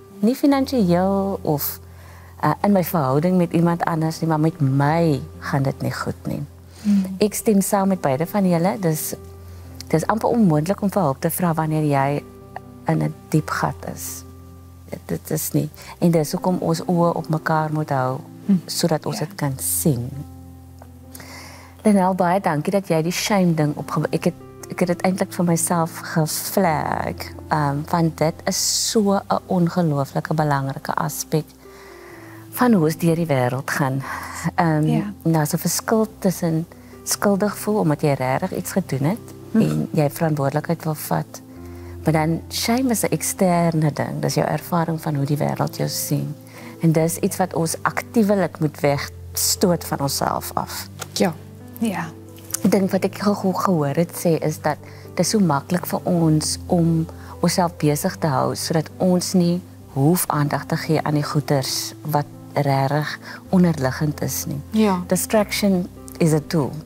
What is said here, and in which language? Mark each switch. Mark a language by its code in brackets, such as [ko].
[af] Nie finansieel of in my verhouding met iemand anders nie, maar met my gaan dit nie goed nie. Ek stem saam met beide van julle, dis amper onmoontlik om vir hulp te vra wanneer jy in 'n diep gat is. Dit is nie. En dis hoekom ons oë op mekaar moet hou, sodat ons dit kan sien. Lenel, baie dankie dat jy die shame ding opgewek. Ek het dit eintlik vir myself geflag, want dit is so 'n ongelooflike belangrike aspek van hoe ons deur die wêreld gaan. Daar's 'n verskil tussen skuldig voel omdat jy regtig iets gedoen het en jy verantwoordelikheid wil vat. Maar dan shame is 'n eksterne ding. Dis jou ervaring van hoe die wêreld jou sien. En dis iets wat ons aktiewelik moet wegstoot van onsself af. Ja. Ja. Ek dink wat ek gehoor het sê is dat dit so maklik vir ons om onsself besig te hou sodat ons nie hoef aandag te gee aan die goeders wat regtig onderliggend is nie. Ja. [en] Distraction is a tool.